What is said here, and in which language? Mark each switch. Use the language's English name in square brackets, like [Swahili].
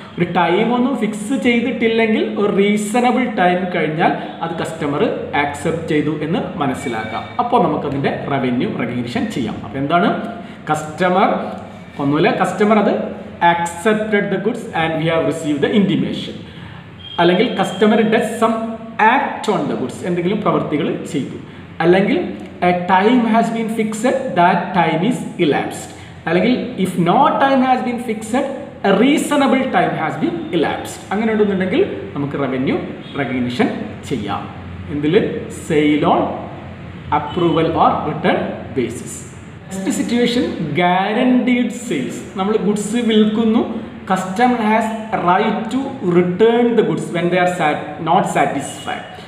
[Malayalam] ഒരു ടൈമൊന്നും ഫിക്സ് ചെയ്തിട്ടില്ലെങ്കിൽ ഒരു റീസണബിൾ ടൈം കഴിഞ്ഞാൽ അത് കസ്റ്റമർ ആക്സെപ്റ്റ് ചെയ്തു എന്ന് മനസ്സിലാക്കാം. അപ്പോൾ നമുക്കതിൻ്റെ റവന്യൂ റെക്കഗ്നിഷൻ ചെയ്യാം. അപ്പോൾ എന്താണ് കസ്റ്റമർ ഒന്നുമില്ല, കസ്റ്റമർ അത് [English] Accepted the goods and we have receive the intimation. അല്ലെങ്കിൽ customer does some act on the goods, [Malayalam] എന്തെങ്കിലും പ്രവൃത്തികൾ ചെയ്തു. [English] അല്ലെങ്കിൽ a time has been fixed, that time is elapsed. അല്ലെങ്കിൽ if no time has been fixed, a reasonable time has been elapsed. [Malayalam] അങ്ങനെ ഉണ്ടെങ്കിൽ നമുക്ക് revenue recognition ചെയ്യാം. എന്തിൽ? [English] Sale on approval or return basis. Next situation guaranteed sales. [Malayalam] നമ്മൾ goods വിൽക്കുന്നു, [English] Customer has right to return the goods when they are not satisfied.